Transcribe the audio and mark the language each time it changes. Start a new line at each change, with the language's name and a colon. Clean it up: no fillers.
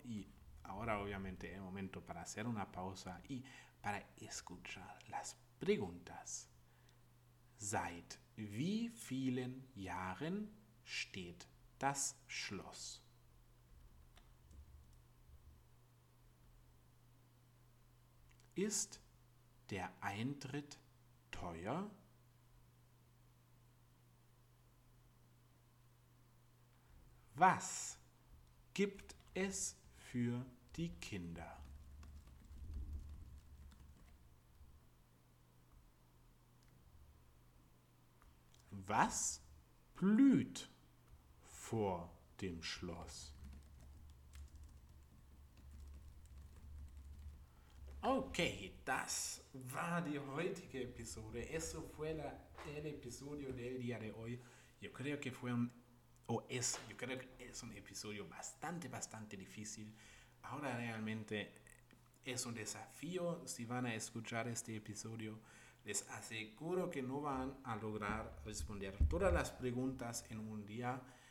Spanish: Y ahora, obviamente, el momento para hacer una pausa y para escuchar las preguntas.
German: Seit wie vielen Jahren steht das Schloss? Ist der Eintritt teuer? Was gibt es für die Kinder? Was blüht vor dem Schloss? Okay, das war die heutige Episode.
Spanish: Eso fue la, el episodio del día de hoy. Yo creo que fue un, o es, yo creo que es un episodio bastante, bastante difícil. Ahora realmente es un desafío. Si van a escuchar este episodio, les aseguro que no van a lograr responder todas las preguntas en un día.